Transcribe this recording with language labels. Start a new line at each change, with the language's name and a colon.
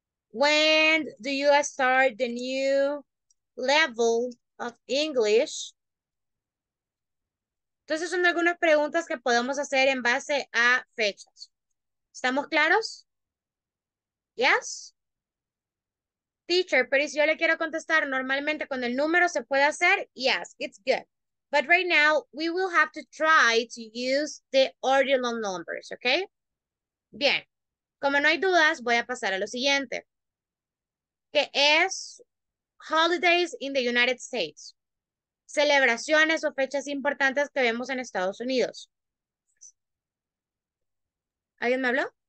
English: When do you start the new level of English?
Spanish: Entonces son algunas preguntas que podemos hacer en base a fechas. ¿Estamos claros? Yes. Teacher, pero si yo le quiero contestar, normalmente con el número se puede hacer.
English: Yes, it's good. But right now, we will have to try to use the ordinal numbers, okay?
Spanish: Bien. Como no hay dudas, voy a pasar a lo siguiente. Que es
English: holidays in the United States.
Spanish: Celebraciones o fechas importantes que vemos en Estados Unidos. ¿Alguien me habló?